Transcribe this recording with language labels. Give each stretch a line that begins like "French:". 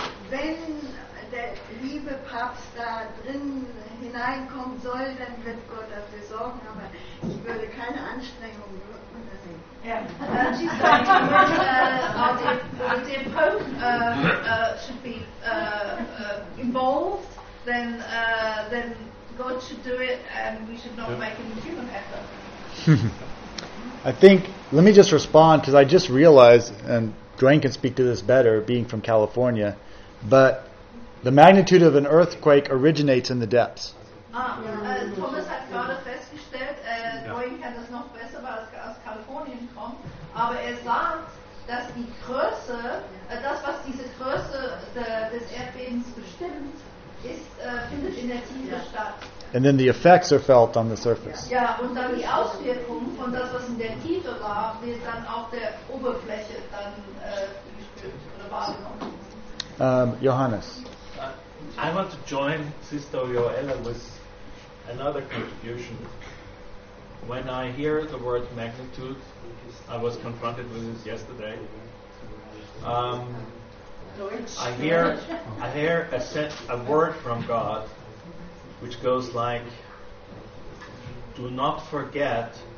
German: Wenn der liebe Papst da drin hineinkommen soll, dann wird Gott dafür sorgen, aber ich würde keine Anstrengungen machen.
English: Yeah, and she's saying that our dear Pope should be involved, then God should do it, and we should not make any human effort. I think, let me just respond, because I just realized, and Dwayne can speak to this better, being from California, but the magnitude of an earthquake originates in the depths.
German: Thomas hat gerade festgestellt, Dwayne kann das noch besser, weil er aus Kalifornien kommt, aber er sagt, dass die Größe, das was diese Größe des Erdbebens bestimmt, findet in der Tiefe statt.
English: And then the effects are felt on the surface.
German: Ja, und dann die Auswirkung von das, was in der Tiefe war, wird dann auf der Oberfläche dann gespürt oder wahrgenommen. Johannes.
English: I want to join Sister Yoella with another contribution. When I hear the word magnitude, I was confronted with this yesterday. I hear a word from God which goes like, do not forget